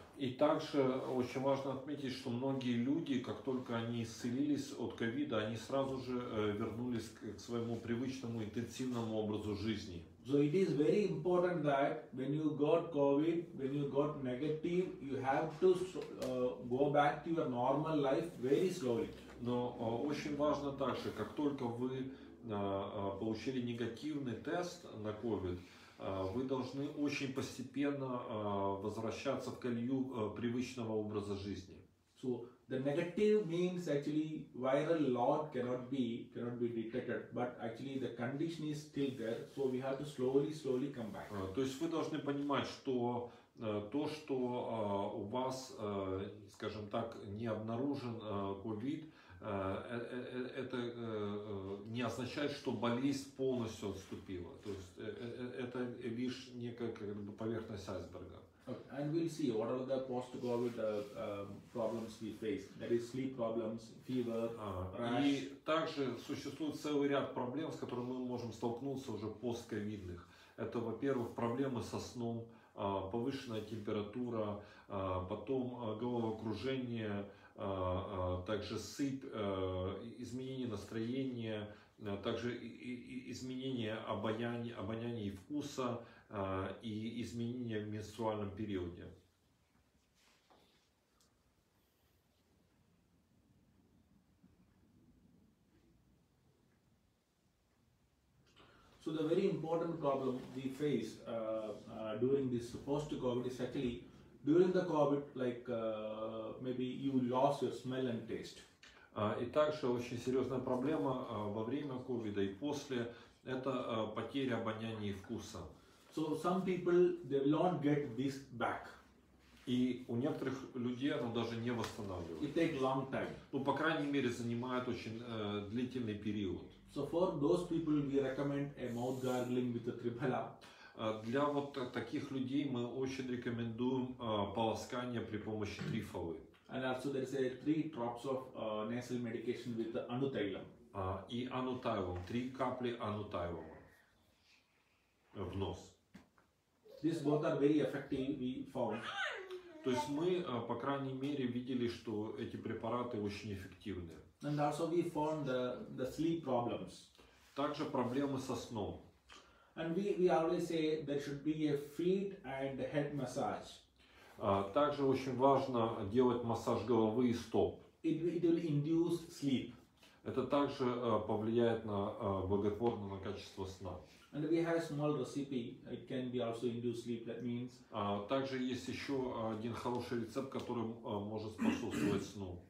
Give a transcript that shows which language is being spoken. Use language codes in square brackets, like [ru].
[ru] И также очень важно отметить, что многие люди, как только они исцелились от ковида, они сразу же вернулись к своему привычному интенсивному образу жизни. [en] So it is very important that when you got COVID, when you got negative, you have to go back to your normal life very slowly. [ru] Но очень важно также, как только вы получили негативный тест на COVID, вы должны очень постепенно возвращаться в колею привычного образа жизни. [en] So the negative means actually viral load cannot be detected, but actually the condition is still there, so we have to slowly come back. [ru] То есть вы должны понимать, что то, что у вас, скажем так, не обнаружен COVID, это не означает, что болезнь полностью отступила. То есть это лишь некая как бы поверхность айсберга. [en] Okay. And we'll see what are the post-COVID problems we face. That is sleep problems, fever, rash. [ru] И также существует целый ряд проблем, с которыми мы можем столкнуться уже постковидных. Это, во-первых, проблемы со сном, повышенная температура, потом головокружение, также сыпь, изменение настроения, также изменение обоняния и вкуса и изменения в менструальном периоде. [en] So the very important problem we face during this post-COVID is actually during the COVID, like maybe you lost your smell and taste. [ru] И также очень серьезная проблема во время COVID и после – это потеря обоняния и вкуса. [en] So some people, they will not get this back. [ru] И у некоторых людей оно даже не восстанавливается. [en] It takes long time. [ru] Ну, по крайней мере, занимает очень длительный период. [en] So for those people, we recommend a mouth gargling with a tribhala. [ru] Для вот таких людей мы очень рекомендуем полоскание при помощи трифалы. [en] And also there is a 3 drops of nasal medication with the anutailam. [ru] И анутайлом, 3 капли анутайлома в нос. [en] These both are very effective, we found. [ru] То есть мы, по крайней мере, видели, что эти препараты очень эффективны. [en] And also we found the sleep problems. [ru] Также проблемы со сном. [en] And we always say there should be a feet and head massage. [ru] Также очень важно делать массаж головы и стоп. [en] It will induce sleep. [ru] Это также повлияет на благотворно на качество сна. [en] And we have small recipe. It can be also induce sleep. That means. [ru] Также есть еще один хороший рецепт, который может способствовать сну.